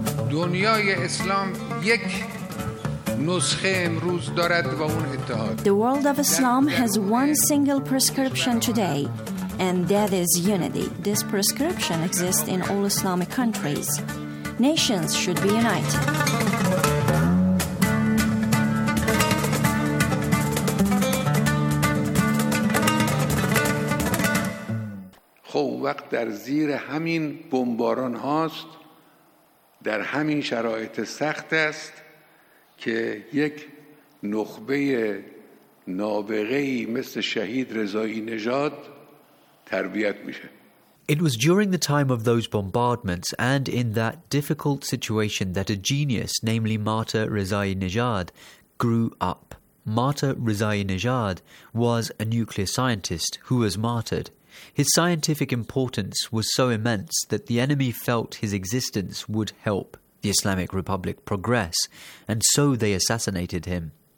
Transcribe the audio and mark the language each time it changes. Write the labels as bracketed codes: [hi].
[fa] دنیای اسلام یک نسخه امروز دارد و اون اتحاد. [en] The world of Islam has one single prescription today. And that is unity. This prescription exists in all Islamic countries. Nations should be united. [fa] خب وقت در زیر همین بمباران هاست، در همین شرایط سخت است که یک نخبه نابغه مثل شهید رضایی نژاد تربیت میشه. [en] It was during the time of those bombardments and in that difficult situation that a genius, namely Martyr Rezai Nejad, grew up. Martyr Rezai Nejad was a nuclear scientist who was martyred. His scientific importance was so immense that the enemy felt his existence would help the Islamic Republic progress, and so they assassinated him.